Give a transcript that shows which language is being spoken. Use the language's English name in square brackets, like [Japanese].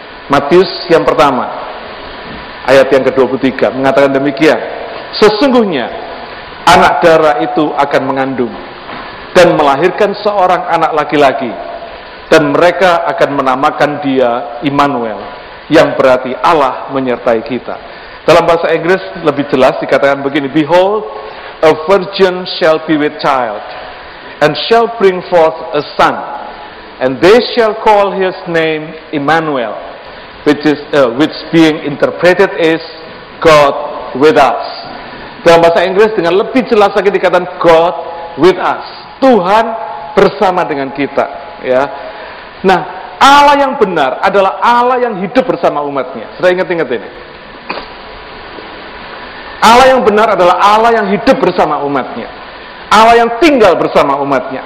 [Indonesian] Matius yang pertama ayat yang ke-23 mengatakan demikian. Sesungguhnya anak dara itu akan mengandung dan melahirkan seorang anak laki-laki, dan mereka akan menamakan dia Immanuel, yang berarti Allah menyertai kita. Dalam bahasa Inggris lebih jelas dikatakan begini: [English] Behold, a virgin shall be with child and shall bring forth a son, and they shall call his name Immanuel, which being interpreted is God with us. [Indonesian] Dalam bahasa Inggris dengan lebih jelas lagi dikatakan [English] God with us, [Indonesian] Tuhan bersama dengan kita, ya. Nah, Allah yang benar adalah Allah yang hidup bersama umatnya. Sudah ingat-ingat ini. Allah yang benar adalah Allah yang hidup bersama umatnya. Allah yang tinggal bersama umatnya.